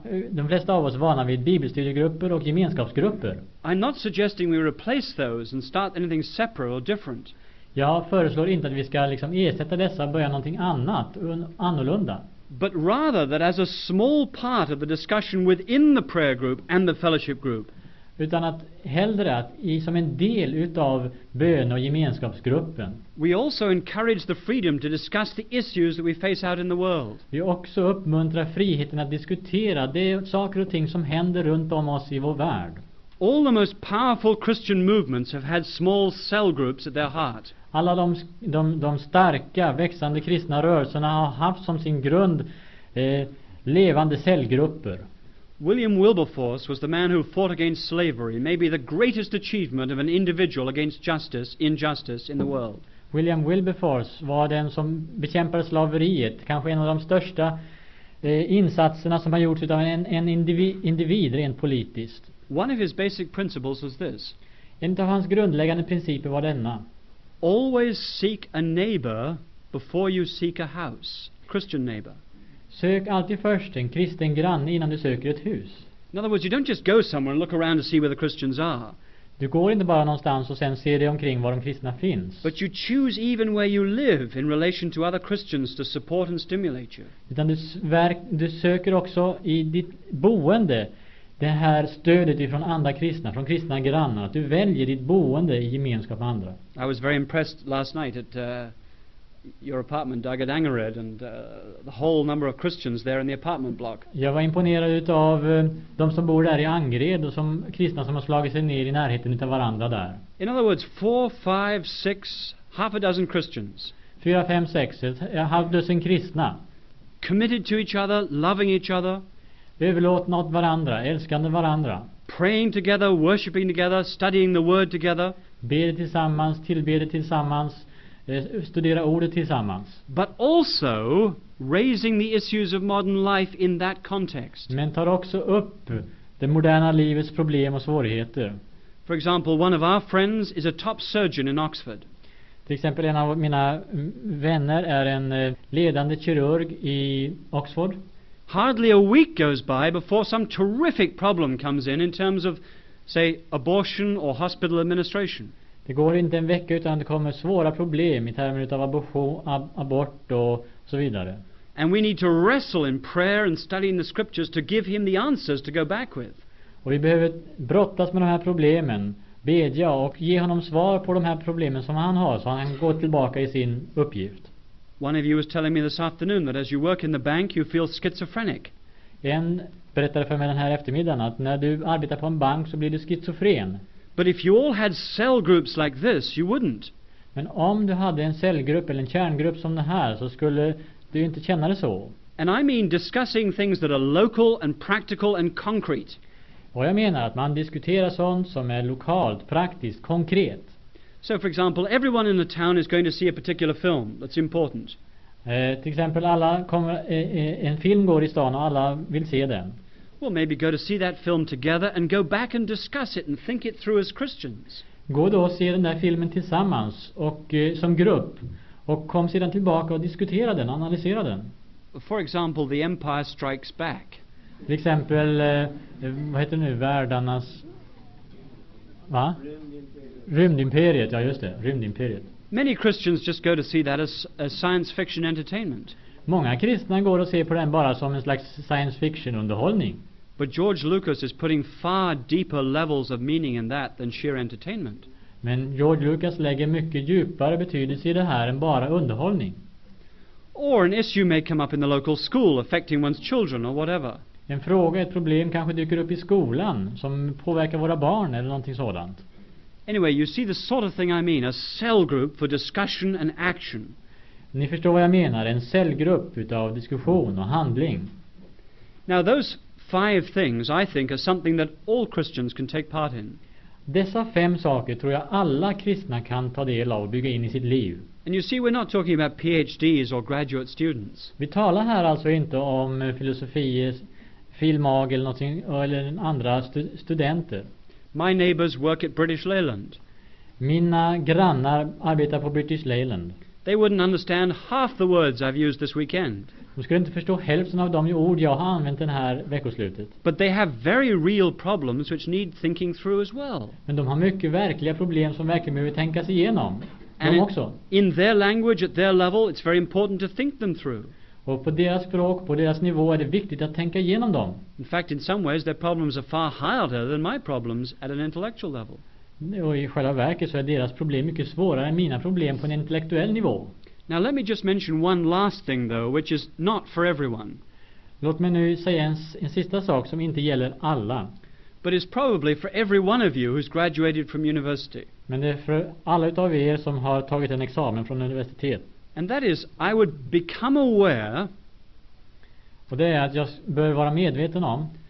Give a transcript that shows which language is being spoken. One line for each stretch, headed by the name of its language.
Swedish: De flesta av oss vana vid bibelstudiegrupper och gemenskapsgrupper.
English: I'm not suggesting we replace those and start anything separate or different.
Swedish: Jag föreslår inte att vi ska liksom ersätta dessa och börja någonting annat, annorlunda.
English: But rather that as a small part of the discussion within the prayer group and the fellowship group.
Swedish: Utan att hellre att som en del utav bön och gemenskapsgruppen.
English: We also encourage the freedom to discuss the issues that we face out in the world.
Swedish: Vi också uppmuntrar friheten att diskutera de saker och ting som händer runt om oss i vår värld.
English: All the most powerful Christian movements have had small cell groups at their heart.
Swedish: Alla de starka växande kristna rörelserna har haft som sin grund levande cellgrupper.
English: William Wilberforce was the man who fought against slavery, maybe the greatest achievement of an individual against justice, injustice in the world.
Swedish: William Wilberforce var den som bekämpade slaveriet, kanske en av de största insatserna som har gjorts av en individ rent politiskt.
English: One of his basic principles was this.
Swedish: En av hans grundläggande principer var denna.
English: Always seek a neighbor before you seek a house. Christian neighbor.
Swedish: Sök alltid först en kristen granne innan du söker ett hus.
English: In other words, you don't just go somewhere and look around to see where the Christians are.
Swedish: Du går inte bara någonstans och sen ser dig omkring var de kristna finns.
English: But you choose even where you live in relation to other Christians to support and stimulate you.
Swedish: Utan du söker också i ditt boende det här stödet ifrån andra kristna, från kristna grannar, att du väljer ditt boende i gemenskap med andra.
English: I was very impressed last night at your apartment, Dagadangered, and the whole number of Christians there in the apartment block.
Swedish: Jag var imponerad utav de som bor där i Angered och som kristna som har slagit sig ner i närheten utav varandra där.
English: In other words, 4, 5, 6, half a dozen Christians. 4, 5, 6, half a dozen
Swedish: kristna.
English: Committed to each other, loving each other.
Swedish: Överlåtna åt varandra, älskande varandra.
English: Praying together, worshiping together, studying the word together.
Swedish: Ber tillsammans, tillbeder tillsammans, studera ordet tillsammans.
English: But also raising the issues of modern life in that context.
Swedish: Men tar också upp det moderna livets problem och svårigheter.
English: For example, one of our friends is a top surgeon in Oxford.
Swedish: Till exempel en av mina vänner är en ledande kirurg i Oxford.
English: Hardly a week goes by before some terrific problem comes in terms of, say, abortion or hospital administration.
Swedish: Det går inte en vecka utan det kommer svåra problem i termer av abort och så vidare.
English: And we need to wrestle in prayer and studying the scriptures to give him the answers to go back with.
Swedish: Och vi behöver brottas med de här problemen, bedja och ge honom svar på de här problemen som han har, så han går tillbaka i sin uppgift.
English: One of you was telling me this afternoon that as you work in the bank you feel schizophrenic.
Swedish: En berättade för mig den här eftermiddagen att när du arbetar på en bank så blir du schizofren.
English: But if you all had cell groups like this, you wouldn't.
Swedish: Men om du hade en cellgrupp eller en kärngrupp som den här, så skulle du inte känna det så.
English: And I mean discussing things that are local and practical and concrete.
Swedish: Och jag menar att man diskuterar sånt som är lokalt, praktiskt, konkret.
English: So for example, everyone in the town is going to see a particular film that's important.
Swedish: Till exempel alla kommer, en film går i stan och alla vill se den.
English: Well, maybe go to see that film together and go back and discuss it and think it through as Christians.
Swedish: Gå då och se den där filmen tillsammans och som grupp och kom sedan tillbaka och diskutera den, analysera den.
English: For example, The Empire Strikes Back.
Swedish: Till exempel vad heter nu världarnas, va? Rymdimperiet, ja just det, rymdimperiet.
English: Many Christians just go to see that as a science fiction entertainment.
Swedish: Många kristna går och ser på den bara som en slags science fiction underhållning.
English: But George Lucas is putting far deeper levels of meaning in that than sheer entertainment.
Swedish: Men George Lucas lägger mycket djupare betydelse i det här än bara underhållning.
English: Or an issue may come up in the local school affecting one's children or whatever.
Swedish: En fråga, ett problem kanske dyker upp i skolan som påverkar våra barn eller någonting sådant.
English: Anyway, you see the sort of thing I mean, a cell group for discussion and action.
Swedish: Ni förstår vad jag menar, en cellgrupp utav diskussion och handling.
English: Now those five things I think are something that all Christians can take part in.
Swedish: Dessa fem saker tror jag alla kristna kan ta del av och bygga in i sitt liv.
English: And you see, we're not talking about PhDs or graduate students.
Swedish: Vi talar här alltså inte om filosofi, filmag eller någonting, eller andra studenter.
English: My neighbors work at British Leyland.
Swedish: Mina grannar arbetar på British Leyland.
English: They wouldn't understand half the words I've used this weekend.
Swedish: De skulle inte förstå hälften av de ord jag har använt den här veckoslutet.
English: But they have very real problems which need thinking through as well.
Swedish: Men de har mycket verkliga problem som verkligen behöver tänkas igenom.
English: And
Swedish: de också.
English: In their language, at their level, it's very important to think them through.
Swedish: Och på deras språk, på deras nivå är det viktigt att tänka igenom dem.
English: In fact, in some ways their problems are far higher than my problems at an intellectual level.
Swedish: Och i själva verket så är deras problem mycket svårare än mina problem på en intellektuell nivå.
English: Now let me just mention one last thing though, which is not for everyone.
Swedish: Låt mig nu säga en sista sak som inte gäller alla.
English: But it's probably for every one of you who's graduated from university.
Swedish: Men det är för alla utav er som har tagit en examen från universitet.
English: And that is, I would become aware,
Swedish: och det är att jag bör vara medveten om,